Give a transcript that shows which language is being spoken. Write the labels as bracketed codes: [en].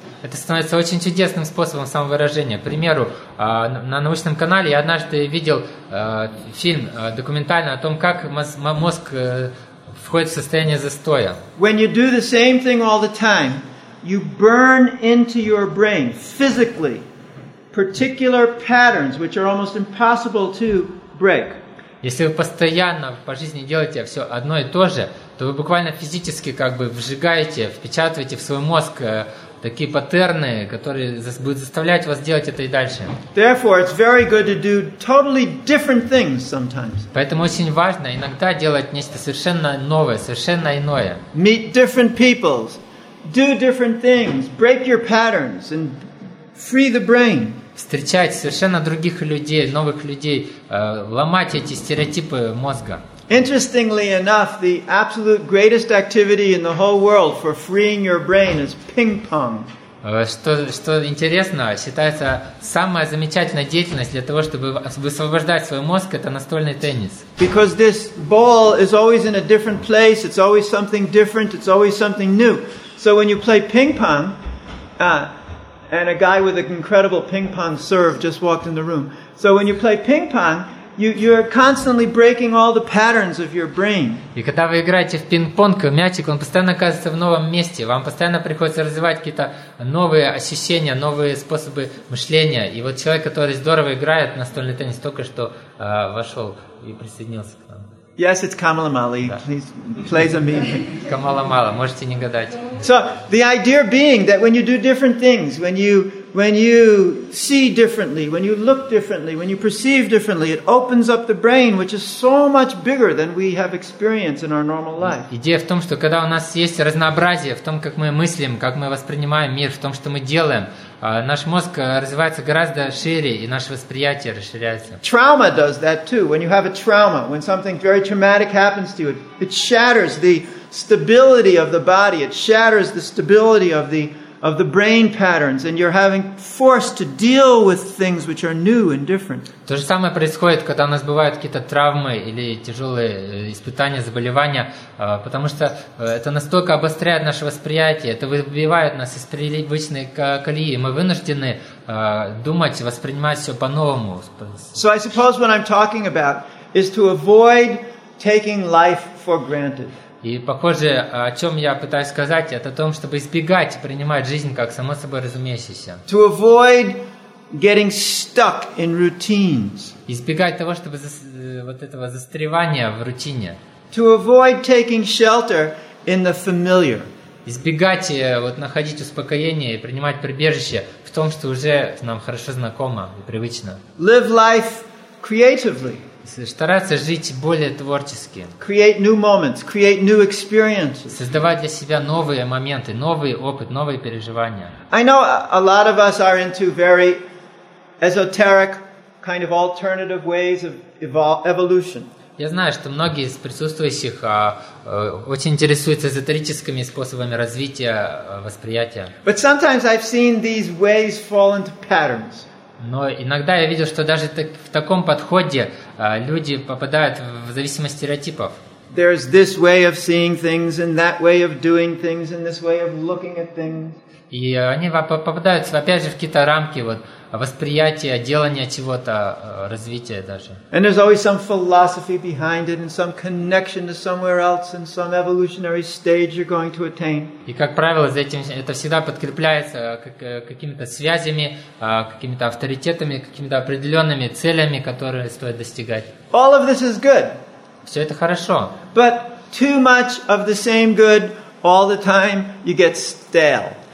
[ru] Это становится очень чудесным способом самовыражения. К примеру, на научном канале я однажды видел фильм документальный о том, как мозг входит в состояние застоя. [en] When you do the same thing all the time, you burn into your brain physically particular patterns, which are almost impossible to break. [ru] Если вы постоянно по жизни делаете все одно и то же, то вы буквально физически как бы вжигаете, впечатываете в свой мозг такие паттерны, которые будут заставлять вас делать это и дальше. [en] Therefore, it's very good to do totally different things sometimes. [ru] Поэтому очень важно иногда делать нечто совершенно новое, совершенно иное. [en] Meet different people, do different things, break your patterns and free the brain. [ru] Встречать совершенно других людей, новых людей, ломать эти стереотипы мозга. [en] Interestingly enough, the absolute greatest activity in the whole world for freeing your brain is ping-pong. [ru] Что интересно, считается самая замечательная деятельность для того, чтобы высвобождать свой мозг, это настольный теннис. [en] Because this ball is always in a different place, it's always something different, it's always something new. So when you play ping-pong, and a guy with an incredible ping-pong serve just walked in the room. So when you play ping-pong, you're constantly breaking all the patterns of your brain. [ru] И когда вы играете в пинг-понг, мячик, он постоянно оказывается в новом месте. Вам постоянно приходится развивать какие-то новые ощущения, новые способы мышления. И вот человек, который здорово играет в настольный теннис, только что вошел и присоединился к нам. [en] Yes, it's Kamala Mali. Да. Please play the meme. [ru] Kamala Mala, можете не гадать. [en] So the idea being that when you do different things, when you see differently, when you look differently, when you perceive differently, it opens up the brain, which is so much bigger than we have experienced in our normal life. [ru] Идея в том, что когда у нас есть разнообразие в том, как мы мыслим, как мы воспринимаем мир, в том, что мы делаем, наш мозг развивается гораздо шире, и наше восприятие расширяется. [en] Trauma does that too. When you have a trauma, when something very traumatic happens to you, it shatters the stability of the body, it shatters the stability of the of the brain patterns, and you're having forced to deal with things which are new and different. [ru] То же самое происходит, когда у нас бывают какие-то травмы или тяжелые испытания, заболевания, потому что это настолько обостряет наше восприятие, это выбивает нас из привычной колеи, мы вынуждены думать, воспринимать все по-новому. [en] So I suppose what I'm talking about is to avoid taking life for granted. [ru] И похоже, о чем я пытаюсь сказать, это о том, чтобы избегать принимать жизнь как само собой разумеющееся. [en] To avoid getting stuck in routines. [ru] Избегать того, чтобы вот этого застревания в рутине. [en] To avoid taking shelter in the familiar. [ru] Избегать вот находить успокоение и принимать прибежище в том, что уже нам хорошо знакомо и привычно. [en] Live life creatively. [ru] Стараться жить более творчески. [en] Create new moments, create new experiences. [ru] Создавать для себя новые моменты, новый опыт, новые переживания. [en] I know a lot of us are into very esoteric kind of alternative ways of evolution. [ru] Я знаю, что многие из присутствующих очень интересуются эзотерическими способами развития восприятия. [en] But sometimes I've seen these ways fall into patterns. [ru] Но иногда я видел, что даже в таком подходе люди попадают в зависимость стереотипов. [en] There's this way of seeing things, and that way of doing things, and this way of looking at things. [ru] И они попадают опять же в какие-то рамки вот восприятия, делания чего-то, развития даже. [en] And there's always some philosophy behind it, and some connection to somewhere else, and some evolutionary stage you're going to attain. [ru] И как правило, за этим это всегда подкрепляется какими-то связями, какими-то авторитетами, какими-то определенными целями, которые стоит достигать. [en] All of this is good. [ru] Все это хорошо. [en] But too much of the same good all the time, you get stale.